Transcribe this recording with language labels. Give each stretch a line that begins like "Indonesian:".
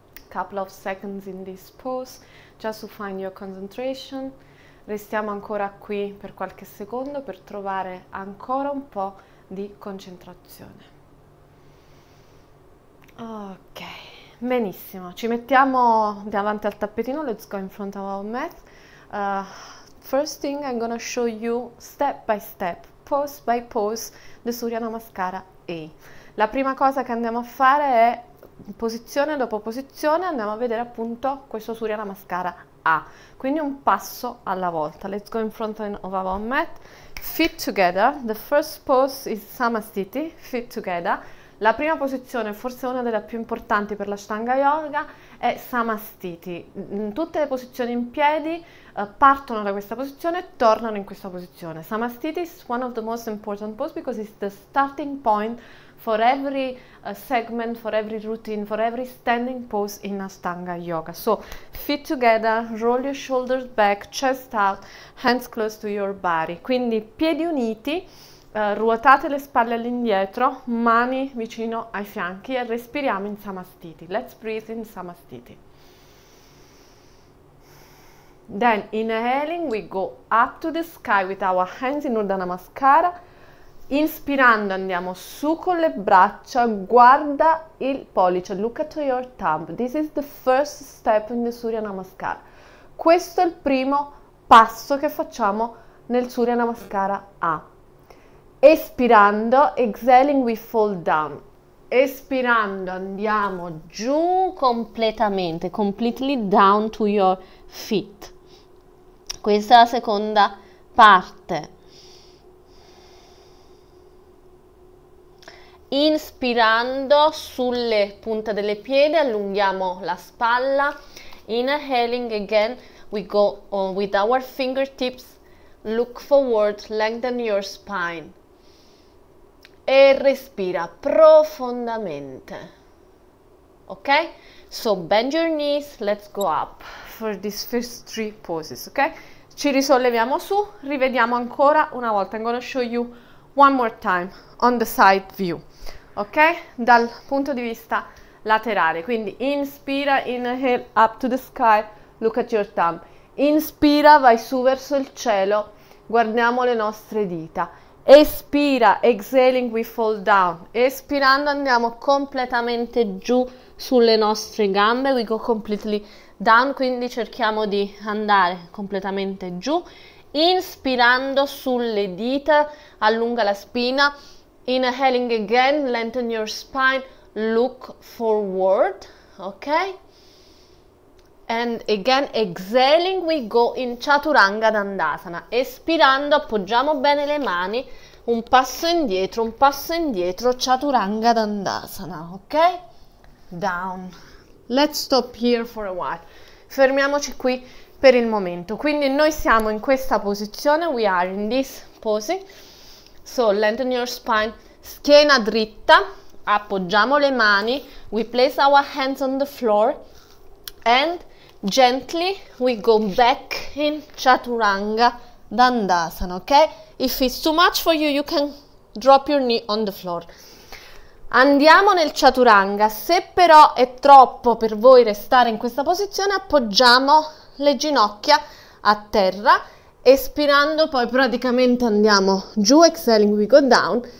English: Couple of seconds in this pose, just to find your concentration.
Italian: Restiamo ancora qui per qualche secondo per trovare ancora un po' di concentrazione. Ok, benissimo, ci mettiamo davanti al tappetino,
English: let's go in front of our mat. First thing I'm gonna show you step by step, pose by pose, the Surya Namaskara A.
Italian: La prima cosa che andiamo a fare è posizione dopo posizione, andiamo a vedere appunto questo Surya Namaskara A. Quindi un passo alla volta,
English: let's go in front of our mat, feet together, the first pose is Samasthiti, feet together.
Italian: La prima posizione, forse una delle più importanti per l'Ashtanga Yoga, è Samasthiti. Tutte le posizioni in piedi partono da questa posizione e tornano in questa posizione.
English: Samasthiti is one of the most important poses because it's the starting point for every segment, for every routine, for every standing pose in Ashtanga Yoga. So, feet together, roll your shoulders back, chest out, hands close to your body.
Italian: Quindi, piedi uniti. Ruotate le spalle all'indietro, mani vicino ai fianchi e respiriamo in Samasthiti.
English: Let's breathe in Samasthiti. Then inhaling, we go up to the sky with our hands in Urdhva Namaskara.
Italian: Inspirando, andiamo su con le braccia, guarda il pollice.
English: Look at your thumb. This is the first step in the Surya Namaskara.
Italian: Questo è il primo passo che facciamo nel Surya Namaskara A. Espirando,
English: exhaling, we fall down.
Italian: Espirando, andiamo giù completamente,
English: completely down to your feet.
Italian: Questa è la seconda parte. Inspirando sulle punte delle piedi, allunghiamo la spalla.
English: Inhaling again, we go with our fingertips, look forward, lengthen your spine.
Italian: E respira profondamente. Ok?
English: So bend your knees, let's go up for these first three poses, ok?
Italian: Ci risolleviamo su, rivediamo ancora una volta.
English: I'm gonna show you one more time on the side view, ok?
Italian: Dal punto di vista laterale. Quindi inspira,
English: inhale up to the sky, look at your thumb.
Italian: Inspira, vai su verso il cielo, guardiamo le nostre dita. Espira,
English: exhaling, we fall down.
Italian: Espirando, andiamo completamente giù sulle nostre gambe.
English: We go completely down,
Italian: quindi cerchiamo di andare completamente giù. Inspirando sulle dita, allunga la spina.
English: Inhaling again, lengthen your spine, look forward, ok? And again, exhaling, we go in Chaturanga Dandasana.
Italian: Espirando, appoggiamo bene le mani, un passo indietro, un passo indietro, Chaturanga Dandasana, ok?
English: Down. Let's stop here for a while.
Italian: Fermiamoci qui per il momento. Quindi noi siamo in questa posizione,
English: we are in this pose. So, lengthen your spine,
Italian: schiena dritta, appoggiamo le mani,
English: we place our hands on the floor and gently, we go back in Chaturanga Dandasana, ok? If it's too much for you, you can drop your knee on the floor.
Italian: Andiamo nel Chaturanga. Se però è troppo per voi restare in questa posizione, appoggiamo le ginocchia a terra, espirando, poi praticamente andiamo giù,
English: exhaling, we go down.